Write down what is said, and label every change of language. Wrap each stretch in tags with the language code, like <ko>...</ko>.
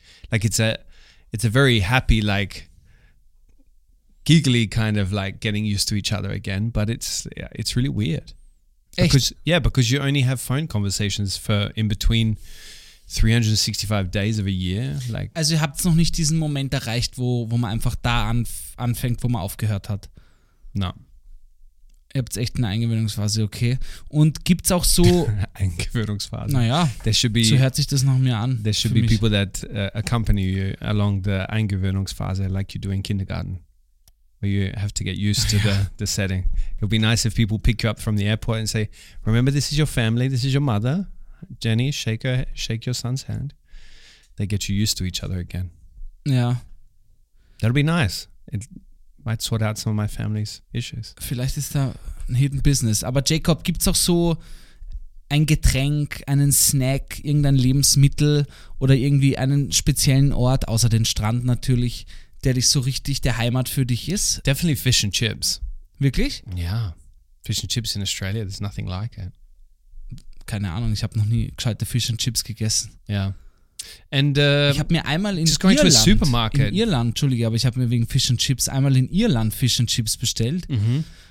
<en>Like it's a very happy, like giggly kind of like getting used to each other again, but it's really weird. Because you only have phone conversations for in between 365 days of a year. Like,</en> <de>also ihr habt noch nicht diesen Moment erreicht, wo man einfach da anfängt, wo man aufgehört hat.</de> <en>No.</en> <de>Ihr habt echt eine Eingewöhnungsphase, okay. Und gibt's auch so... Eingewöhnungsphase. Naja, so hört sich das nach mir an.</de> <en>There should be people that accompany you along the Eingewöhnungsphase, like you do in kindergarten. Where you have to get used to the setting. It'll be nice if people pick you up from the airport and say, remember, this is your family, this is your mother. Jenny, shake your son's hand. They get you used to each other again. Yeah. That'll be nice. It might sort out some of my family's issues.</en> <de>Vielleicht ist da ein</de> <en>hidden business.</en> <de>Aber Jacob, gibt's auch so ein Getränk, einen Snack, irgendein Lebensmittel oder irgendwie einen speziellen Ort, außer den Strand natürlich, der dich so richtig, der Heimat für dich ist?</de> <en>Definitely fish and chips.</en> <de>Wirklich? Ja.</de> <en>Fish and chips in Australia, there's nothing like it.</en> <de>Keine Ahnung, ich habe noch nie gescheite Fish and Chips gegessen. Ja. Ich habe mir einmal in Irland,</de> <en>to a supermarket.</en> <de>In Irland, entschuldige, aber ich habe mir wegen Fish and Chips einmal in Irland Fish and Chips bestellt. Mm-hmm.</de>